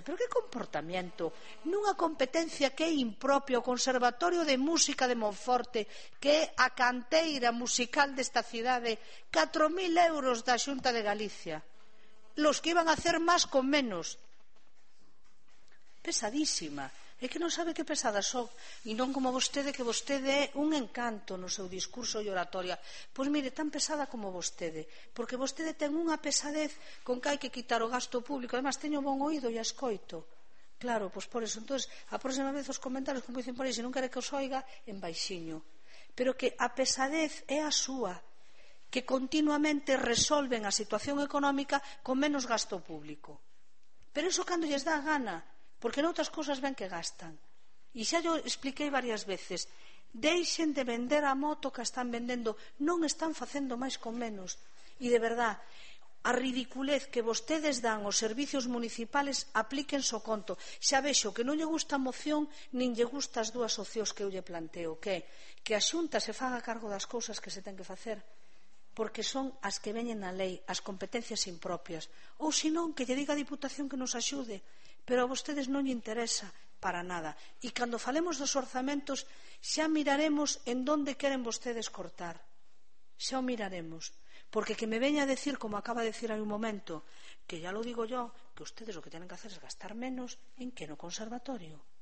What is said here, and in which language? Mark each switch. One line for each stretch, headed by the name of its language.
Galician: Pero que comportamiento nunha competencia que é impropio ao Conservatorio de Música de Monforte, que é a canteira musical desta cidade.
Spanish: 4.000 euros da Xunta de Galicia, los que iban a hacer más con menos.
Galician: Pesadísima. É que non sabe que pesada son. E non como vostede, que vostede é un encanto no seu discurso e oratoria. Pois mire, tan pesada como vostede, porque vostede ten unha pesadez con que hai que quitar o gasto público. Además, teño bon oído e escoito. Claro, pois por eso. Entón, a próxima vez os comentarios, como dicen por aí, se non quere que os oiga, en baixiño. Pero que a pesadez é a súa, que continuamente resolven a situación económica con menos gasto público. Pero iso cando lles dá a gana, porque noutras cousas ven que gastan. E xa yo expliquei varias veces, deixen de vender a moto que están vendendo, non están facendo máis con menos. E de verdad, a ridiculez que vostedes dan aos servicios municipales, apliquen so conto. Xa vexo que non lle gusta a moción, nin lle gusta as dúas opcións que eu lle planteo, que a Xunta se faga cargo das cousas que se ten que facer, porque son as que veñen na lei, as competencias impropias, ou senón que lle diga a Diputación que nos axude, pero a vostedes non lle interesa para nada. E cando falemos dos orzamentos, xa miraremos en donde queren vostedes cortar, xa o miraremos, porque que me veña a decir, como acaba de decir hai un momento,
Spanish: que ya lo digo yo, que ustedes lo que tienen que hacer es gastar menos,
Galician: en que no conservatorio.